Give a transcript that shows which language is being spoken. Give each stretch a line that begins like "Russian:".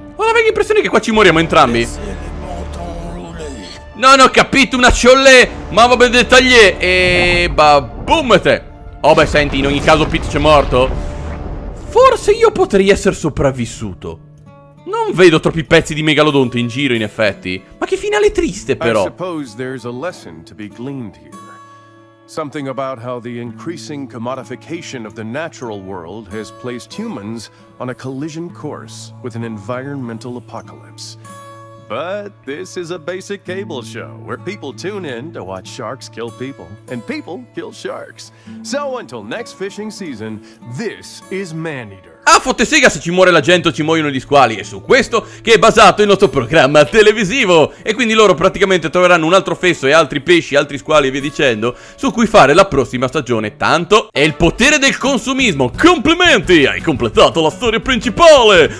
Italian: Ho la vaga impressione che qua ci moriamo entrambi. Non ho capito una ciolle. Ma vabbè, dettagli. E babum te. Oh, beh, senti, in ogni caso Pete c'è morto. Forse io potrei essere sopravvissuto. Non vedo troppi pezzi di megalodonte in giro, in effetti. Ma che finale triste, però.
English: I suppose there's a lesson to be gleaned here. Something about how the increasing commodification of the natural world has placed humans on a collision course with an environmental apocalypse. But this is a basic cable show where people tune in to watch sharks kill people and people kill sharks. So until next fishing season, this is Man Eater.
Italian: Ah, fotte sega se ci muore la gente o ci muoiono gli squali. È su questo che è basato il nostro programma televisivo. E quindi loro praticamente troveranno un altro fesso e altri pesci, altri squali e via dicendo, su cui fare la prossima stagione. Tanto è il potere del consumismo. Complimenti, hai completato la storia principale.